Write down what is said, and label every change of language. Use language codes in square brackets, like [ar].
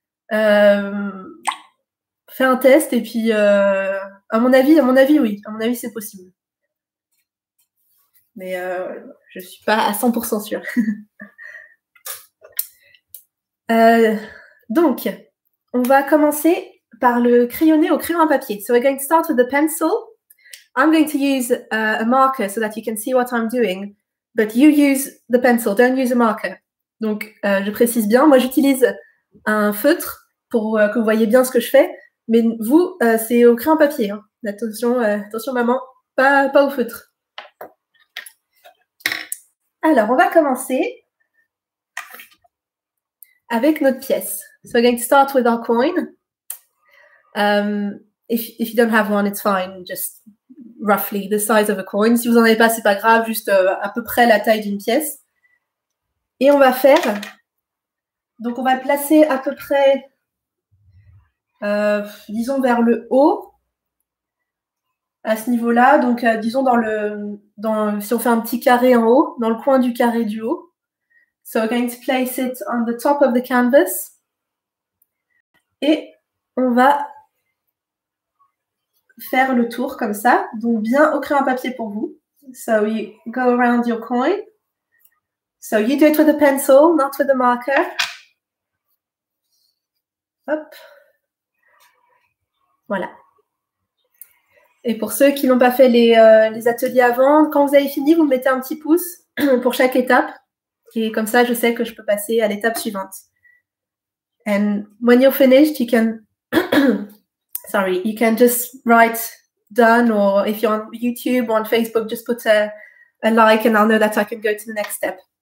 [fr] Fais un test et puis, à mon avis, oui. À mon avis, c'est possible. Mais je ne suis pas à 100% sûre. Donc, on va commencer par le crayonné au crayon à papier. [en] So we're going to start with the pencil. I'm going to use a marker so that you can see what I'm doing, but you use the pencil, don't use a marker. [fr] Donc, je précise bien, moi j'utilise un feutre pour que vous voyez bien ce que je fais, mais vous, c'est au crayon à papier. Hein. Attention, attention maman, pas au feutre. Alors, on va commencer avec notre pièce. [en] So we're going to start with our coin. If you don't have one, it's fine, just roughly the size of a coin. [fr] Si vous n'en avez pas, c'est pas grave, juste à peu près la taille d'une pièce. Et on va faire, donc on va le placer à peu près, disons vers le haut, à ce niveau-là, donc disons si on fait un petit carré en haut, dans le coin du carré du haut. [en] So we're going to place it on the top of the canvas. [fr] Et on va faire le tour comme ça, donc bien au crayon à papier pour vous. [en] So you go around your coin. So you do it with a pencil, not with a marker. Hop. [fr] Voilà. Et pour ceux qui n'ont pas fait les ateliers avant, quand vous avez fini, vous me mettez un petit pouce pour chaque étape. Et comme ça, je sais que je peux passer à l'étape suivante. [en] And when you're finished, you can. Sorry, you can just write done, or if you're on YouTube or on Facebook, just put a like and I'll know that I can go to the next step.